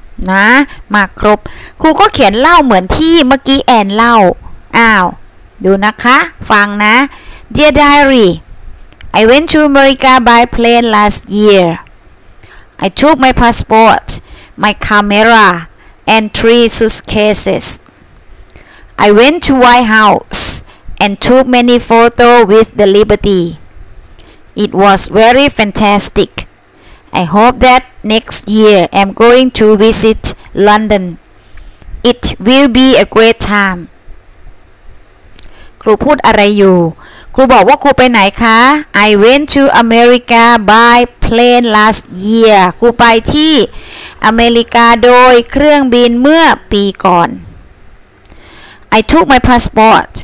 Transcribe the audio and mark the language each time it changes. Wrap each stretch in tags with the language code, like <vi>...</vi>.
<th>นะมาครบครูก็เขียนเล่าเหมือนที่เมื่อกี้แอนเล่าอ้าวดูนะคะฟังนะ</th> <en>Dear Diary I went to America by plane last year I took my passport my camera and three suitcases I went to White HouseAnd took many photos with the Liberty. It was very fantastic. I hope that next year I'm going to visit London. It will be a great time.</en> <th>ครูพูดอะไรอยู่ครูบอกว่าครูไปไหนคะ</th> <en>I went to America by plane last year.</en> <th>ครูไปที่อเมริกาโดยเครื่องบินเมื่อปีก่อน</th> <en>I took my passport.</en>